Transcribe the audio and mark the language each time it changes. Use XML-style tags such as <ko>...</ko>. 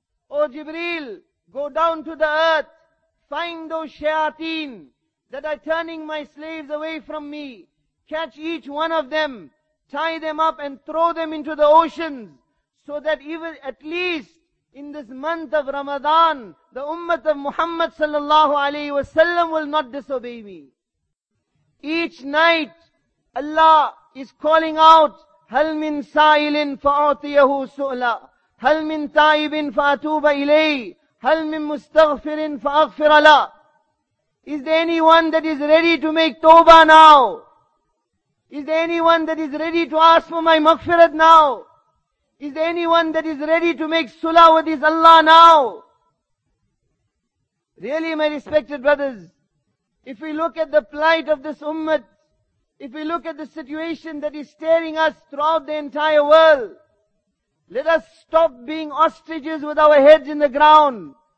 <en>O Jibreel, go down to the earth, find those shayateen that are turning my slaves away from me. Catch each one of them, tie them up and throw them into the oceans, so that even at least in this month of Ramadan, the ummah of Muhammad sallallahu alayhi wasallam will not disobey me. Each night, Allah is calling out,</en> <ar>هَلْ مِنْ سَائِلٍ فَأُعْطِيَهُ سُؤْلًا هَلْ مِنْ تَائِبٍ فَأَتُوبَ إِلَيْهِ هَلْ مِنْ مُسْتَغْفِرٍ فَأَغْفِرَ لَهُ.</ar> <en>Is there anyone that is ready to make tawbah now? Is there anyone that is ready to ask for my maghfirat now? Is there anyone that is ready to make sulah with his Allah now? Really, my respected brothers, if we look at the plight of this ummah, if we look at the situation that is staring us throughout the entire world, let us stop being ostriches with our heads in the ground.</en>